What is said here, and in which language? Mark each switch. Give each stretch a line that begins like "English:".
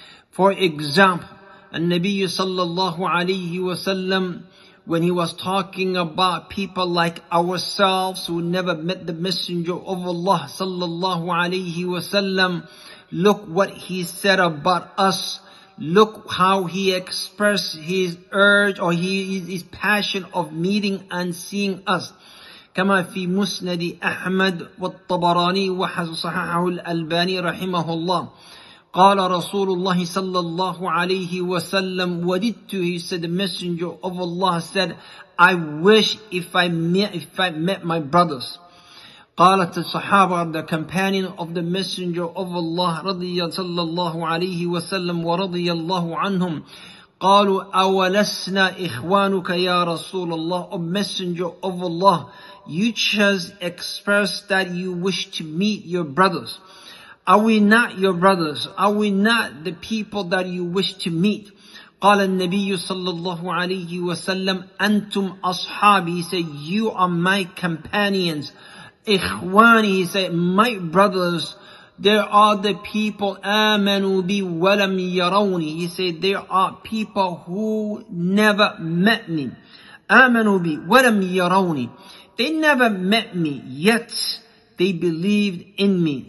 English: For example, Nabi sallallahu alayhi wasallam, when he was talking about people like ourselves who never met the Messenger of Allah sallallahu alayhi wasallam, look what he said about us. Look how he expressed his urge or his passion of meeting and seeing us.
Arabic: كما في مسند أحمد والطبراني وحسن صححه الألباني رحمه الله. قال رسول الله صلى الله عليه وسلم وددت,
English: he said, the messenger of Allah said, I wish if I met my brothers.
Arabic: قالت الصحابة,
English: the companion of the messenger of Allah
Arabic: رضي الله عليه وسلم ورضي الله عنهم, قالوا أولسنا إخوانك يا رسول الله,
English: O messenger of Allah, you just expressed that you wish to meet your brothers. Are we not your brothers? Are we not the people that you wish to meet?
Arabic: قال النبي صلى الله عليه وسلم أنتم أصحابي,
English: he said, you are my companions.
Arabic: إخواني,
English: he said, my brothers, there are the people,
Arabic: آمنوا بي ولم يروني,
English: he said, there are people who never met me.
Arabic: آمنوا بي ولم يروني,
English: they never met me, yet they believed in me.